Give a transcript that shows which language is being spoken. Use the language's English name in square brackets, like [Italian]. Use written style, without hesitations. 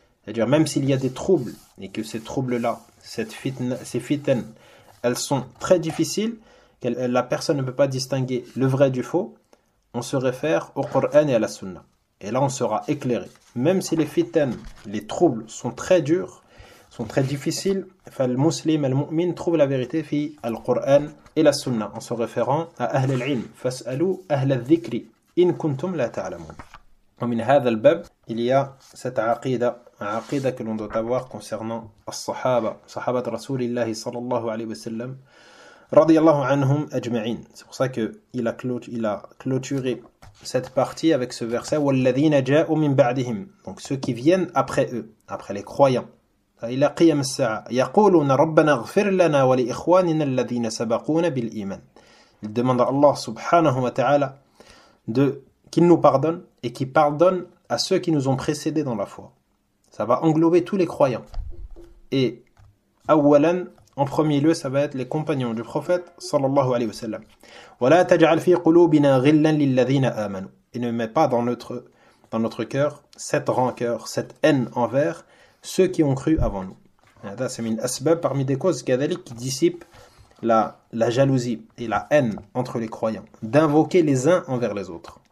[French] C'est-à-dire même s'il y a des troubles, et que ces troubles-là, ces fitnes, elles sont très difficiles, la personne ne peut pas distinguer le vrai du faux, on se réfère au Coran et à la Sunna. Et là on sera éclairé. Même si les fitnes, les troubles sont très durs, sont très difficiles, [Arabic] فالمسلم المؤمن [French] trouve la vérité [Arabic] في القرآن [French] et la Sunna, en se référant à [Arabic] أهل العلم. فاسألوا أهل الذكر إن كنتم لا تعلمون. ومن هذا الباب, [French] il y a cette [Arabic] عقيدة [French] que l'on doit avoir concernant [Arabic] الصحابة, صحابة رسول الله صلى الله عليه وسلم, رضي الله عنهم أجمعين. [French] C'est pour ça qu'il a clôturé cette partie avec ce verset, [Arabic] والذين جاءوا من بعدهم. [French] Donc ceux qui viennent après eux, après les croyants. [Arabic] إلى قيام الساعة يقولون ربنا اغفر لنا ولإخواننا الذين سبقونا بالإيمان. [French] Il demande à Allah subhanahu wa ta'ala de qu'il nous pardonne et qu'il pardonne à ceux qui nous ont précédés dans la foi. Ça va englober tous les croyants. Et [Arabic] أولاً, [French] en premier lieu, ça va être les compagnons du prophète sallallahu alayhi wa sallam. [Arabic] ولا تجعل في قلوبنا غلا للذين آمنوا. [French] Et ne met pas dans notre cœur cette rancœur, cette haine envers ceux qui ont cru avant nous. C'est parmi des causes qui dissipent la jalousie et la haine entre les croyants, d'invoquer les uns envers les autres.